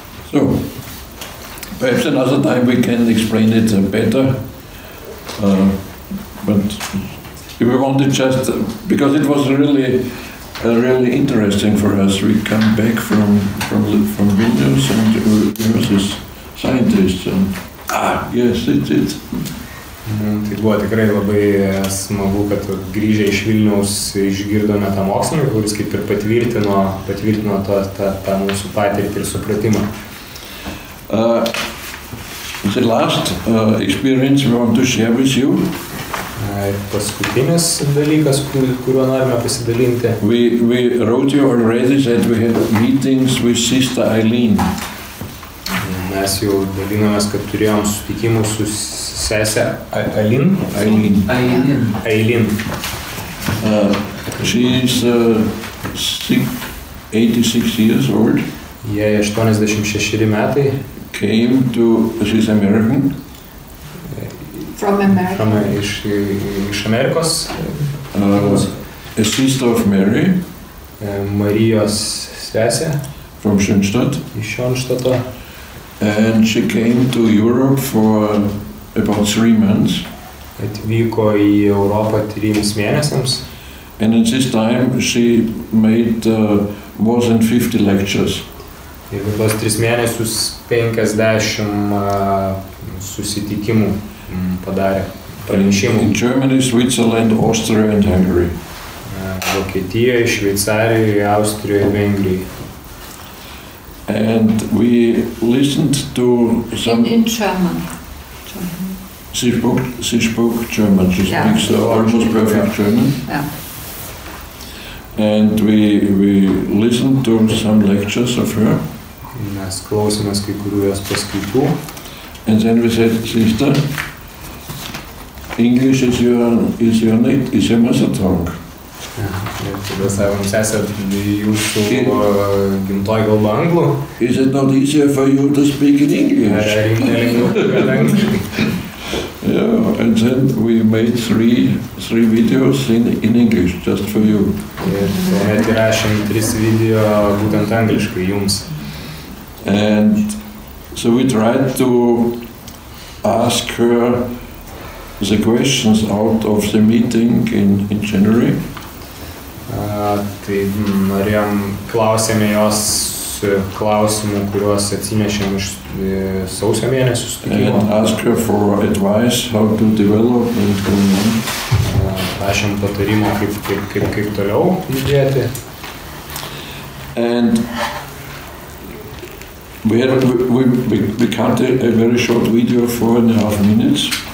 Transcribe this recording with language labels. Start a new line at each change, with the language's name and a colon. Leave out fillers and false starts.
English: So, perhaps another time we can explain it better, but if we wanted just, because it was really really interesting for us. We come back from Vilnius and we were this scientist. Yes, it is.
Lithuanian: Tai buvo tikrai labai smagu, kad grįžę iš Vilniaus išgirdome tą mokslininką, kuris kaip ir patvirtino tą mūsų patirtį ir supratimą.
English: The last experience we want to share with you.
Lithuanian: Paskutinis dalykas, kuriuo norime pasidalinti.
English: We wrote you already that we had meetings with Sister Eileen.
Lithuanian: Mes jau dalinomės, kad turėjom susitikimų su sese Eileen.
English: Eileen. She is 86 years old.
Lithuanian: Jei 86 metai.
English: Came to, she's American. From America.
Lithuanian: Iš Amerikos.
English: A sister of Mary.
Lithuanian: Marijos sesė.
English: From Schoenstatt.
Lithuanian: Iš Schoenstatto.
English: And she came to Europe for about 3 months.
Lithuanian: Atvyko į Europą 3 mėnesiams.
English: And in this time she made more than 50 lectures.
Lithuanian: Ir tuos 3 mėnesius 50 susitikimų padarė pranešimų.
English: In Germany, Switzerland, Austria and Hungary.
Lithuanian: Vokietijoje, Šveicarijoje, Austrijoje ir Vengrijoje.
English: And we listened to some... In German. She spoke German. She speaks almost perfect German. Yeah. And we listened to some lectures of her.
Lithuanian: Mes klausėmės kai kurių jos paskaitų.
English: And then we said, sister, English is your mother tongue.
Lithuanian: Tada savo sesė jūsų gimtoji galba anglų.
English: Is it not easier for you to speak in English? Yeah, and then we made three videos in English, just for you.
Lithuanian: Tuomet įrašėm 3 video būtent angliškai jums.
English: And so we tried to ask her the questions out of the meeting in January.
Lithuanian: Tai norėjom, klausėme jos klausimų, kuriuos atsinešėm iš sausio mėnesių sutikimo.
English: And ask her for advice, how to develop and go on.
Lithuanian: Prašėm patarimo, kaip toliau judėti.
English: And we cut a very short video, 4.5 minutes.